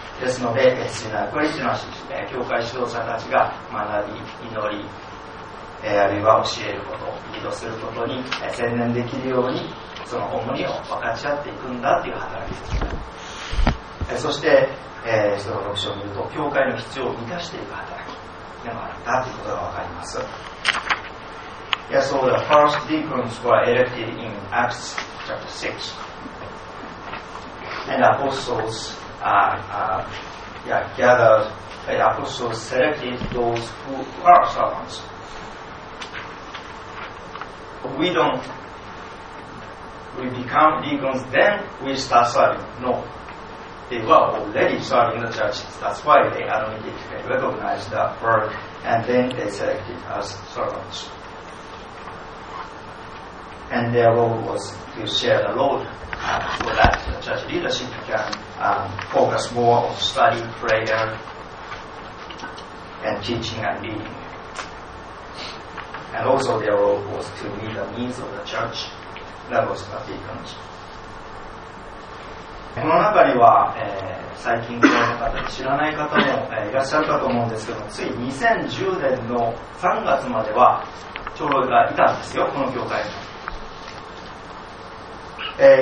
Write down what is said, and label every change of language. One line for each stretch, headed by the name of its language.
Japanese: ですので、次のクリスチャン、教会指導者たちが学び、祈り、あるいは教えること、リードすることに専念できるように、その重荷を分かち合っていくんだという働きです。そして、その6章を見ると、教会の必要を満たしていく働きでもあるんだということが分かります。
English: Yeah, so the first deacons were elected in Acts chapter 6. And apostles... gathered the apostles, selected those who are servants. We don't we become deacons then we start serving. No, they were already serving in the churches. That's why they automatically recognized that work and then they selected as servants. And their role was to share the load so that the church leadership canfocus more on study, prayer, and teaching and leading. And also their role was to meet the needs of the church. That was the deacons.
Japanese: この中には、最近知らない方、知らない方も、いらっしゃるかと思うんですけど、つい2010年の3月までは長老がいたんですよ、この教会に。